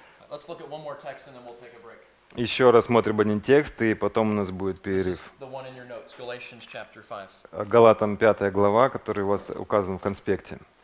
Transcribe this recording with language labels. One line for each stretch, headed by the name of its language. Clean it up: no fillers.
English: Let's look at one more text and then we'll take a break.
Russian: Еще рассмотрим один текст, и потом у нас будет перерыв.
English: This is the one in your notes, Galatians chapter 5.
Russian: Галатам 5 глава, который у вас указан в конспекте.